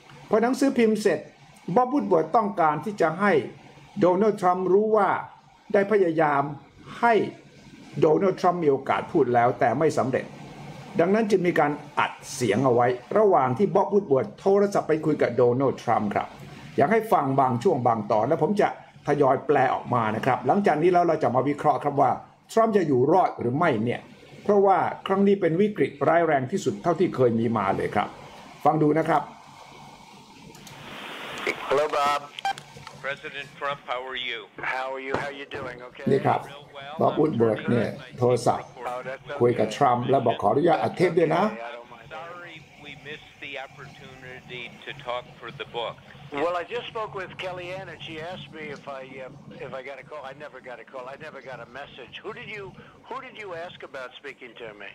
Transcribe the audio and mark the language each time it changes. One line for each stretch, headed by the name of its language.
Thai: พอหนังสือพิมพ์เสร็จบ็อบวูดเวิร์ดต้องการที่จะให้โดนัลด์ทรัมป์รู้ว่าได้พยายามให้โดนัลด์ทรัมป์มีโอกาสพูดแล้วแต่ไม่สำเร็จดังนั้นจึงมีการอัดเสียงเอาไว้ระหว่างที่บ็อบวูดเวิร์ดโทรศัพท์ไปคุยกับโดนัลด์ทรัมป์ครับอยากให้ฟังบางช่วงบางตอนแล้วผมจะทยอยแปลออกมานะครับหลังจากนี้แล้วเราจะมาวิเคราะห์ครับว่าทรัมป์จะอยู่รอดหรือไม่เนี่ยเพราะว่าครั้งนี้เป็นวิกฤตร้ายแรงที่สุดเท่าที่เคยมีมาเลยครับฟังดูนะครับ
English: Hello Bob President Trump how are you how are you doing okay
Thai: นี่ครับบ็อบวูดเวิร์ดเนี่ยโทรศัพท์คุยกับทรัมป์แล้วบอกขออนุญาตอัดเทปด้วยนะ
English: Sorry we missed the opportunity to talk for the book Well, I just spoke with Kellyanne, and she asked me if I got a call. I never got a call. I never got a message. Who did you ask about speaking to me?